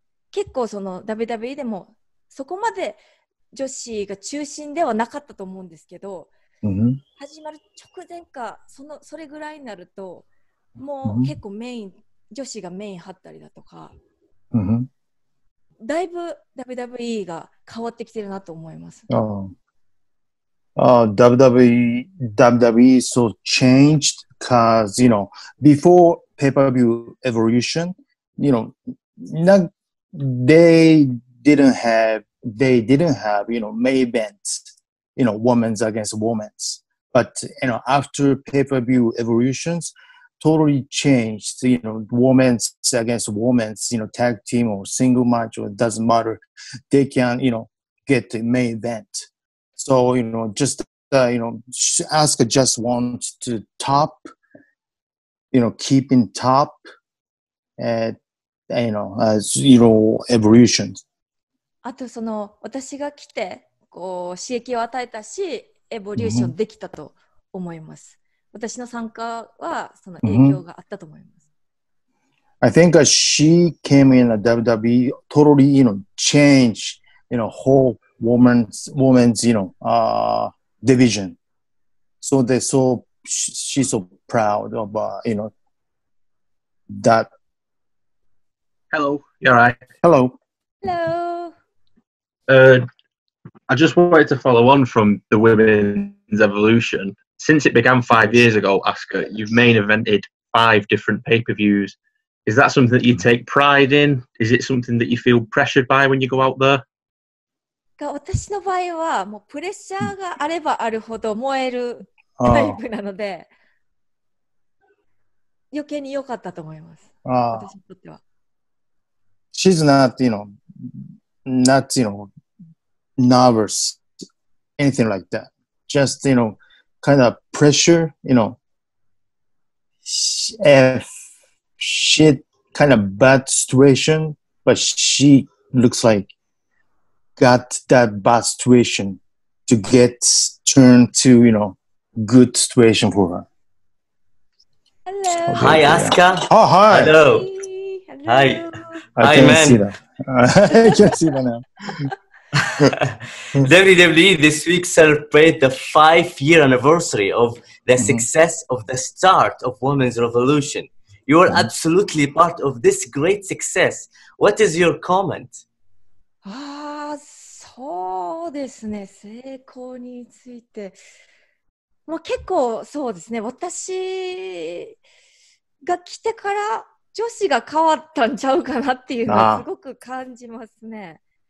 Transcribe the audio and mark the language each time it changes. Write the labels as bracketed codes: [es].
[ja] 結構その WWE でもそこまで女子が中心ではなかったと思うんですけど、始まる直前か それぐらいになるともう結構メイン、女子がメイン張ったりだとか、だいぶ WWE が変わってきてるなと思います。 [en] WWE so changed because, you know, before pay-per-view evolution, you know, they didn't have, you know, main events, you know, women's against women's. But, you know, after pay-per-view evolutions, totally changed, you know, women's against women's, you know, tag team or single match, or it doesn't matter. They can, you know, get the main event. So, you know, just, you know, Asuka just wants to top, you know, keep in top, you know, as, you know, evolution. [ja] あとその私が来てこう刺激を与えたし、エボリューションできたと思います。私の参加はその影響があったと思います。 [en] I think she came in a WWE totally, you know, change, you know, whole woman's, you know, division. So they're so, she's so proud of, you know, that. Hello, you're right. Hello. Hello. I just wanted to follow on from the women's evolution. Since it began 5 years ago, Asuka, you've main evented 5 different pay-per-views. Is that something that you take pride in? Is it something that you feel pressured by when you go out there? [ja] 私の場合はもうプレッシャーがあればあるほど燃えるタイプなので、余計に良かったと思います。私にとっては。 [en] She's not, you know, not, you know, nervous, anything like that. Just, you know,kind of pressure, you know, if shit kind of bad situation, but she looks like got that bad situation to get turned to, you know, good situation for her. Hello. Hi, Asuka. Oh, hi. Hello. Hi. Hi, man. I can't see that now. WWE this week celebrate the 5-year anniversary of the success of the start of Women's Revolution. You are absolutely part of this great success. What is your comment? [ja] Ah, そうですね。成功について、もう結構そうですね。私が来てから女子が変わったんちゃうかなっていうのをすごく感じますね。